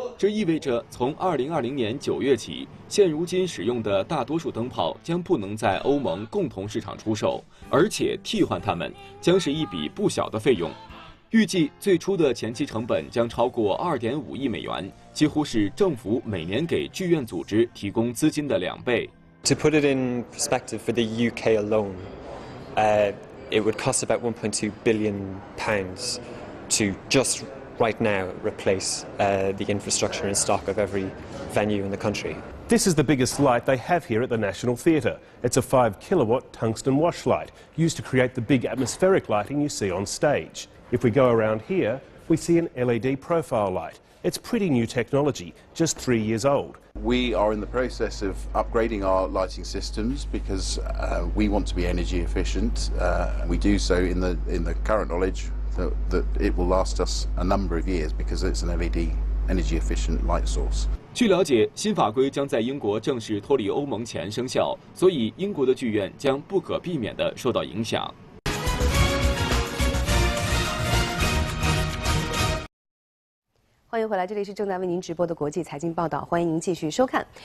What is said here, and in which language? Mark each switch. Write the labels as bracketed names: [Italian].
[Chinese] 这意味着从2020年9月起，现如今使用的大多数灯泡将不能在欧盟共同市场出售，而且替换它们将是一笔不小的费用。预计最初的前期成本将超过$2.5亿，几乎是政府每年给剧院组织提供资金的2倍。 [English] To put it in perspective, for the UK alone, it would cost about £1.2 billion to just right now replace the infrastructure and stock of every venue in the country. This is the biggest light they have here at the National Theatre. It's a 5-kilowatt tungsten wash light used to create the big atmospheric lighting you see on stage. If we go around here, we see an LED profile light. It's pretty new technology, just 3 years old. We are in the process of upgrading our lighting systems because we want to be energy efficient. We do so in the current knowledge that it will last us a number of years because it's an LED energy efficient light source. [Chinese] 据了解，新法规将在英国正式脱离欧盟前生效，所以英国的剧院将不可避免地受到影响。欢迎回来，这里是正在为您直播的国际财经报道，欢迎您继续收看。